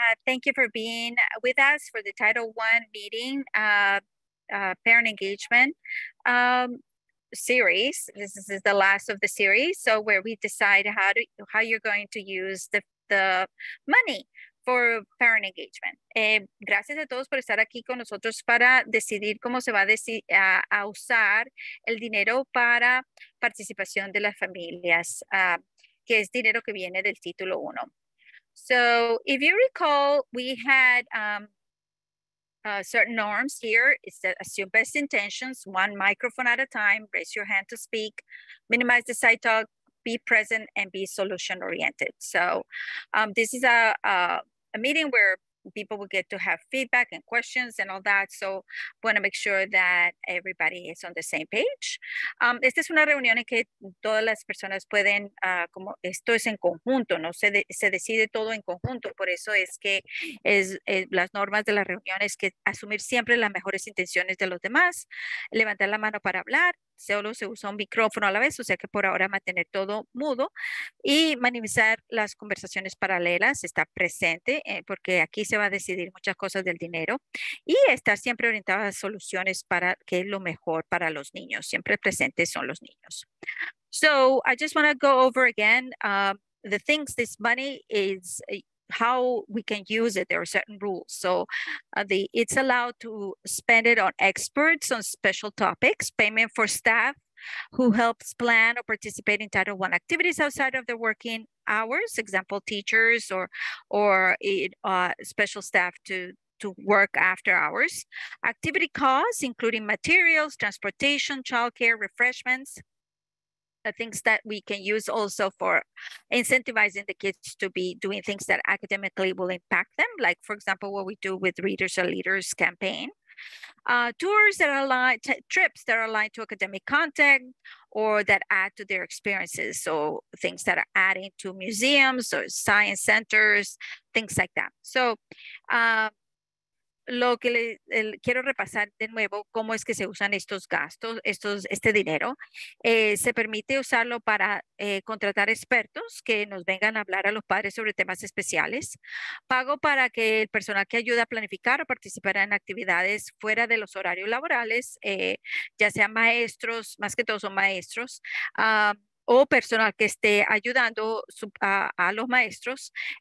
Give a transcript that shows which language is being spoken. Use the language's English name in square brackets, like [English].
[English] Thank you for being with us for the Title I meeting, parent engagement series. This is the last of the series, so where we decide how you're going to use the money for parent engagement. [Spanish] Gracias a todos por estar aquí con nosotros para decidir cómo se va a decir a usar el dinero para participación de las familias. Que es dinero que viene del título uno. [English] So, if you recall, we had certain norms here. It's that assume best intentions, one microphone at a time, raise your hand to speak, minimize the side talk, be present, and be solution oriented. So, this is a meeting where people will get to have feedback and questions and all that. So, want to make sure that everybody is on the same page. [Spanish] Esta es una reunión en que todas las personas pueden, como esto es en conjunto, ¿no? Se decide todo en conjunto. Por eso es que es las normas de las reuniones que asumir siempre las mejores intenciones de los demás, levantar la mano para hablar. Solo se usa un micrófono a la vez, o sea que por ahora mantener todo mudo y minimizar las conversaciones paralelas está presente, porque aquí se va a decidir muchas cosas del dinero y estar siempre orientada a soluciones para qué es lo mejor para los niños. Siempre presentes son los niños. [English] So, I just want to go over again the things this money is. How we can use it. There are certain rules. So it's allowed to spend it on experts on special topics, payment for staff who helps plan or participate in Title I activities outside of their working hours, example teachers or special staff to work after hours, activity costs, including materials, transportation, childcare, refreshments. The things that we can use also for incentivizing the kids to be doing things that academically will impact them, like for example, what we do with Readers Are Leaders campaign. Tours that are aligned, trips that are aligned to academic content or that add to their experiences. So things that are adding to museums or science centers, things like that. [Spanish] So lo que quiero repasar de nuevo, cómo es que se usan estos gastos, este dinero. Se permite usarlo para contratar expertos que nos vengan a hablar a los padres sobre temas especiales. Pago para que el personal que ayuda a planificar o participar en actividades fuera de los horarios laborales, ya sean maestros, más que todos son maestros, o personal que esté ayudando a los maestros.